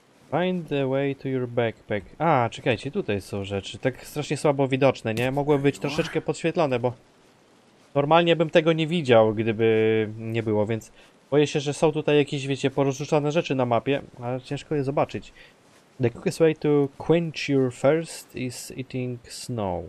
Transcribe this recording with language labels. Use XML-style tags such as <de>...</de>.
<en>Find the way to your backpack.</en> <pl>A, czekajcie, tutaj są rzeczy. Tak strasznie słabo widoczne, nie? Mogły być troszeczkę podświetlone, bo normalnie bym tego nie widział, gdyby nie było, więc boję się, że są tutaj jakieś, wiecie, porozrzucane rzeczy na mapie, ale ciężko je zobaczyć.</pl> <en>The quickest way to quench your thirst is eating snow.</en>